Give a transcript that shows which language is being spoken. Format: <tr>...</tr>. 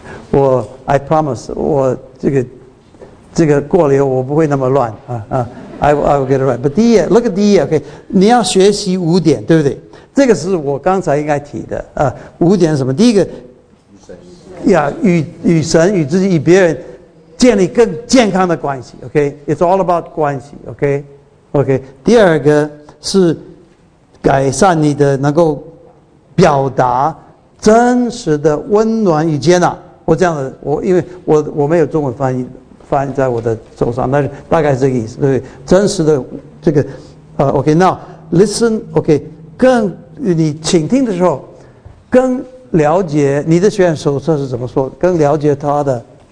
<zh>我 ，</zh> <en>I promise，</en> <zh>我这个过了以后，我不会那么乱啊。</zh> <en>I will get it right。But 第一页 ，look at 第一页 ，OK。</en> <zh>你要学习五点，对不对？这个是我刚才应该提的啊。五点是什么？第一个，与神、与自己、与别人建立更健康的关系 ，OK。</zh> <en>It's all about 关系 ，OK。</en> <zh>第二个是。改善你的能够表达真实的温暖与接纳。我这样的，我因为我没有中文翻译在我的手上，但是大概是这个意思，对不对？真实的这个OK，</zh> <en>now listen，</en> <zh>OK， 更你倾听的时候，更了解你的学员手册是怎么说，更了解他的</zh>